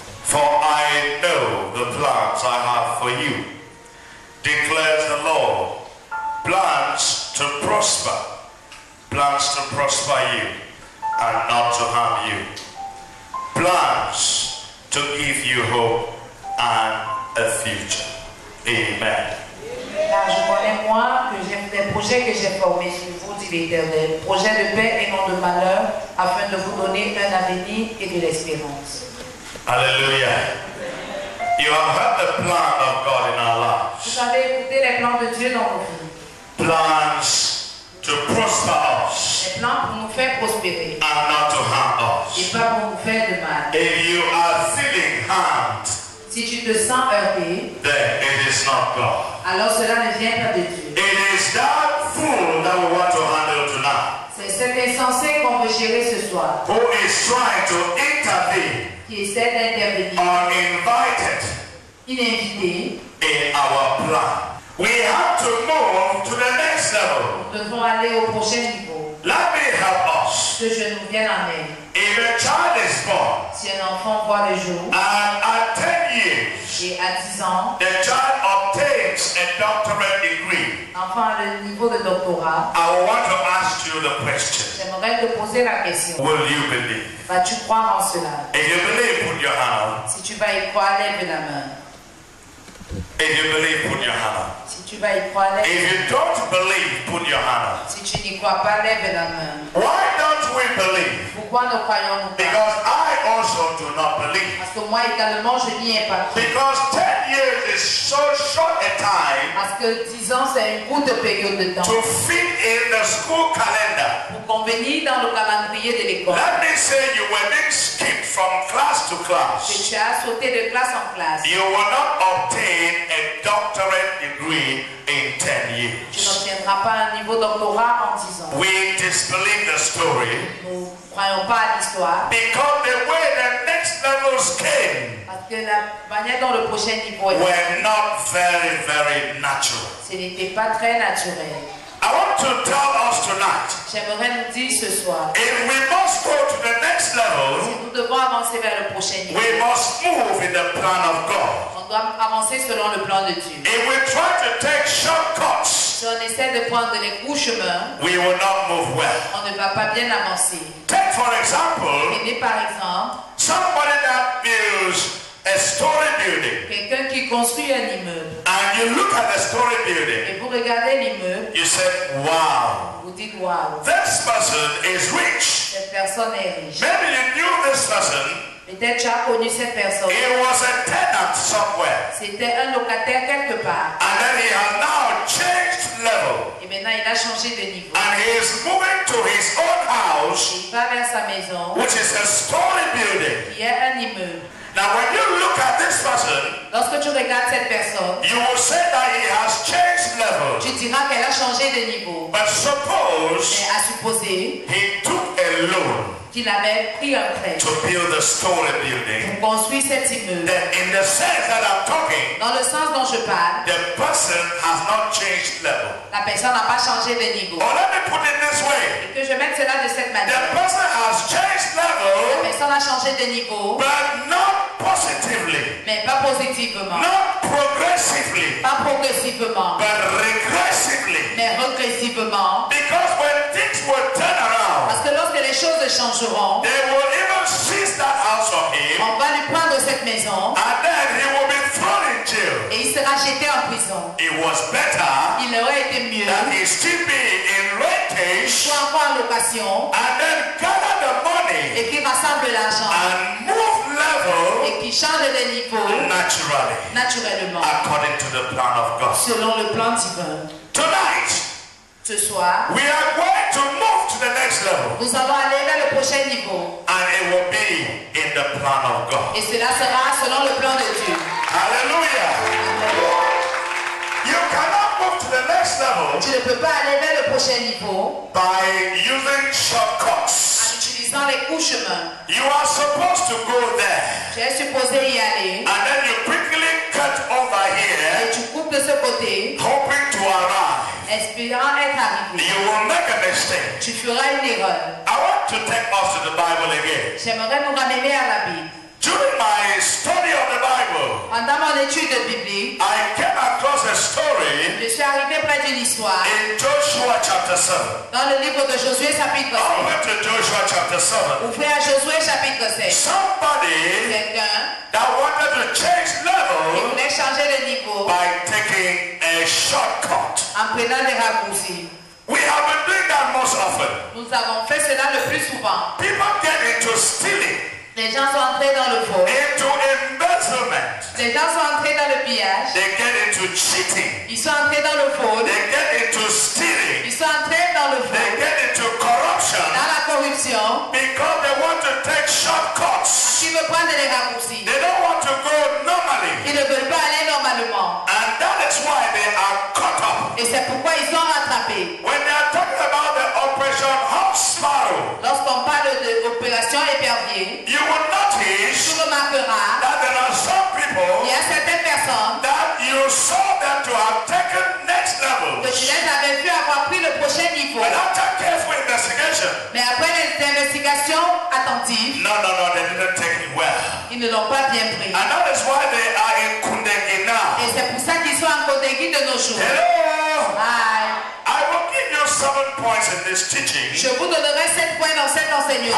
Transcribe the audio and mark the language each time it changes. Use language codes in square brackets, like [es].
[en] For I know the plans I have for you, declares the Lord. Plans to prosper. Plans to prosper you and not to harm you. Plans to give you hope and a future. Amen. [fr] Car je connais moi que j'ai des projets que j'ai formés sur vous, dit l'Éternel. Projets de paix et non de malheur, afin de vous donner un avenir et de l'espérance. Alléluia. [en] You have heard the plan of God in our lives. [fr] Vous avez écouté les plans de Dieu dans nos vies. [en] Plans to prosper us. [fr] Les plans pour nous faire prospérer. [en] And not to harm us. [fr] Et pas pour nous faire de mal. [en] If you are feeling harmed, [fr] si tu te sens heurté, [en] then it is not God. [fr] Alors cela ne vient pas de Dieu. [en] It is that fool that we want to handle tonight. [fr] C'est cet insensé qu'on veut gérer ce soir. [en] Who is trying to intervene? [fr] Qui essaie d'intervenir? [en] Uninvited. [fr] Invité. [en] In our plan, we have to move to the next level. [fr] Nous devons aller au prochain niveau. [en] Let me help us. [fr] Que je nous vienne en aide. [en] If a child is born, [fr] si un enfant voit le jour, [en] and at 10 years, [fr] et à 10 ans, [en] the child obtains a doctorate degree, [fr] l'enfant a le niveau de doctorat, [en] I want to ask you the question. [fr] J'aimerais te poser la question. [en] Will you believe? [fr] Vas-tu croire en cela? [en] If you believe, put your hand. [fr] Si tu vas y croire, lève la main. [en] If you believe, put your hand. [fr] Si tu vas y croire, lève. [en] If you don't believe, put your hand. [fr] Si tu n'y crois pas, lève la main. [en] Why don't we believe? [fr] Pourquoi ne croyons-nous pas? [en] Because I also do not believe. [fr] Parce que moi également, je n'y ai pas cru. [en] Because 10 years is so short a time. [fr] Parce que 10 ans c'est une courte période de temps. [en] To fit in the school calendar. [fr] Pour convenir dans le calendrier de l'école. [en] Let me say you were being skipped from class to class. [fr] Et tu as sauté de classe en classe. [en] You will not obtain a doctorate degree in 10 years. [fr] Tu n'obtiendras pas un niveau doctorat en 10 ans. [en] We disbelieve the story. [fr] Nous croyons pas à l'histoire. [en] Because the way the next levels came. [fr] Parce que la manière dont le prochain niveau est. [en] Were not very, very natural. [fr] Ce n'était pas très naturel. [en] I want to tell us tonight. [fr] J'aimerais nous dire ce soir. [en] If we must go to the next level. [fr] Si nous devons avancer vers le prochain niveau. [en] We must move in the plan of God. [fr] On doit avancer selon le plan de Dieu. [en] If we try to take shortcuts, [fr] si on essaie de prendre les courts chemins, [en] we will not move well. [fr] On ne va pas bien avancer. [en] Take for example, [fr] prenez par exemple, [en] somebody that builds a story building. [fr] Quelqu'un qui construit un immeuble. [en] And you look at the story building. [fr] Et vous regardez l'immeuble. [en] You say, wow. [fr] Vous dites wow. [en] This person is rich. [fr] Cette personne est riche. [en] Maybe you knew this person. [fr] Peut-être tu as connu cette personne. [en] He was a tenant somewhere. [fr] C'était un locataire quelque part. [en] And then he has now changed level. [fr] Et maintenant il a changé de niveau. [en] And he is moving to his own house. [fr] Il va vers sa maison. [en] Which is a story building. [fr] Qui est un immeuble. [en] Now when you look at this person. [fr] Lorsque tu regardes cette personne. [en] You will say that he has changed level. [fr] Tu diras qu'elle a changé de niveau. [en] But suppose. [fr] Mais à supposer. [en] He took a loan. [fr] Qu'il avait pris un prêt [en] to build a story building, [fr] pour construire cet immeuble. [en] Then in the sense that I'm talking, [fr] dans le sens dont je parle, [en] the person has not changed level. [fr] La personne n'a pas changé de niveau. [en] Or let me put it this way. [fr] Et que je mette cela de cette manière. [en] The person has changed level, [fr] la personne a changé de niveau, [en] but not positively. [fr] Mais pas positivement. [en] Not progressively. [fr] Pas progressivement. [en] But regressively. [fr] Mais régressivement. [en] Because when things will turn around, [fr] parce que lorsque les choses changeront, [en] they will even seize that house of him, [fr] on va le prendre de cette maison, [en] and then he will be thrown in jail. [fr] Et il sera jeté en prison. [en] It was better, [fr] il aurait été mieux, [en] that he still be in rentage, [fr] soit encore en location, [en] and then gather the money, [fr] et qu'il rassemble l'argent, [en] and move level, [fr] et qu'il change de niveau, [en] naturally, [fr] naturellement, [en] according to the plan of God, [fr] selon le plan divin. [en] Tonight, [fr] ce soir, [en] we are going to move to the next level. [fr] Nous allons aller vers le prochain niveau. [en] And it will be in the plan of God. [fr] Et cela sera selon le plan de Dieu. Alléluia. [en] You cannot move to the next level. [fr] Tu ne peux pas aller vers le prochain niveau. [en] By using shortcuts. [fr] En utilisant les courts chemins. [en] You are supposed to go there. [fr] Tu es supposé y aller. [en] And then you quickly cut over here. [fr] Et tu coupes de ce côté. [en] Hoping to arrive. [fr] espérant être arrivé. [en] You will make a mistake. [fr] Tu feras une erreur. [en] I want to take us to the Bible again. [fr] J'aimerais nous ramener à la Bible. [en] During my study of the Bible, [fr] pendant mon étude de Bible, [en] I came across a story. [fr] Je suis arrivé près d'une histoire. [en] In Joshua chapter 7. [fr] Dans le livre de Josué chapitre 7. [en] I went to Joshua chapter 7. [fr] Ouvrez à Josué chapitre 7. [en] Somebody that wanted to change level. [fr] Il voulait changer de niveau. [en] By taking a shortcut. [fr] En prenant des raccourcis. [en] We have been doing that most often. [fr] Nous avons fait cela le plus souvent. [en] People get into stealing. [fr] Les gens sont entrés dans le faux. [en] Into embezzlement. [fr] Les gens sont entrés dans le pillage. [en] They get into cheating. [fr] Ils sont entrés dans le faux. [en] They get into stealing. [fr] Ils sont entrés dans le faux. [en] They get into corruption. [fr] Dans la corruption. [en] Because they want to take shortcuts. [fr] Parce qu'ils veulent prendre des raccourcis. [en] They don't want to go normally. [fr] Ils ne veulent pas aller normalement. [en] And that is why they are caught up. [fr] Et c'est pourquoi ils sont attrapés. [en] When they are talking about the operation Hawk Sparrow. [fr] Lorsqu'on parle de l'opération Épervier. [en] You will notice that there are some people [fr] certaines personnes [en] that you saw them to have taken next level. [fr] Que tu les avais vu avoir pris le prochain niveau. [en] But after careful investigation, [fr] mais après les investigations attentives, [en] no, they didn't take it well. [fr] Ils ne l'ont pas bien pris. [en] And that is why they are in Kundengi now. [fr] Et c'est pour ça qu'ils sont en Kundengi de nos jours. [en] Hello. Hi. I will give you 7 points in this teaching. [fr] Je vous donnerai 7 points dans cet enseignement.